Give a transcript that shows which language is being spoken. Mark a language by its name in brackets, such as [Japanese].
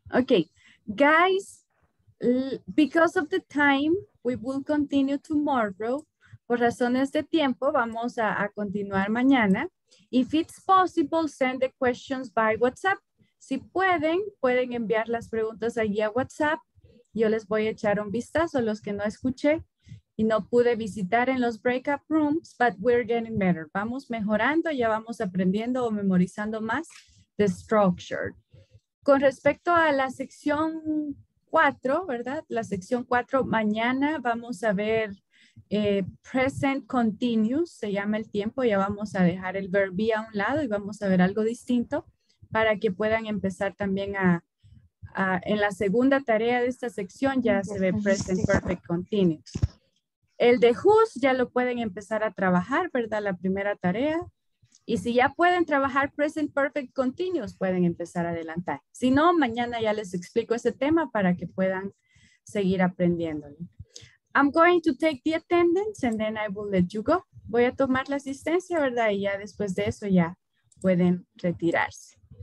[English] Okay, guys, because of the time, we will continue tomorrow. [Spanish] Por razones de tiempo, vamos a continuar mañana. [English] If it's possible, send the questions by WhatsApp. [Spanish] Si pueden, pueden enviar las preguntas allí a WhatsApp. Yo les voy a echar un vistazo a los que no escuché y no pude visitar en los breakout rooms, [English] but we're getting better. [Spanish] Vamos mejorando, ya vamos aprendiendo o memorizando más the structure. Con respecto a la sección 4, ¿verdad? La sección 4, mañana vamos a ver present continuous, se llama el tiempo. Ya vamos a dejar el verb be a un lado y vamos a ver algo distinto para que puedan empezar también a en la segunda tarea de esta sección ya se ve present perfect continuous. El de whose ya lo pueden empezar a trabajar, ¿verdad? La primera tarea. Y si ya pueden trabajar Present Perfect Continuous, pueden empezar a adelantar. Si no, mañana ya les explico ese tema para que puedan seguir aprendiéndolo. [English] I'm going to take the attendance and then I will let you go. [Spanish] Voy a tomar la asistencia, ¿verdad? Y ya después de eso ya pueden retirarse.